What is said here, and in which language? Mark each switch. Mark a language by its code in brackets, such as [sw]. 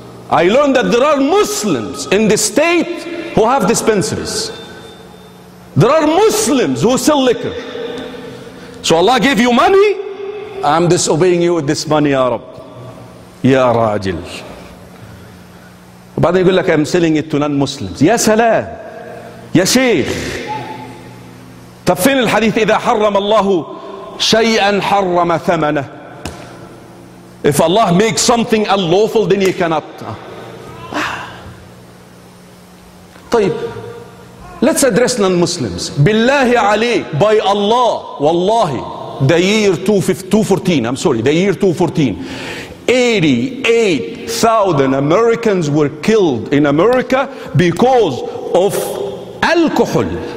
[en] I learned that there are Muslims in the state who have dispensaries. There are Muslims who sell liquor. So Allah gave you money, I'm disobeying you with this money, Ya Rab. Ya Rajil. But then you go like, I'm selling it to non-Muslims. Ya Salah. Ya Sheikh. [ar] Tafin al-Hadith, إذا حرم الله شيئا حرم ثمنه. [en] If Allah makes something unlawful, then you cannot. [ar] طيب. [en] Let's address non-Muslims. Billahi alayk, by Allah, wallahi, the year 214, I'm sorry, the year 214, 88,000 Americans were killed in America because of alcohol.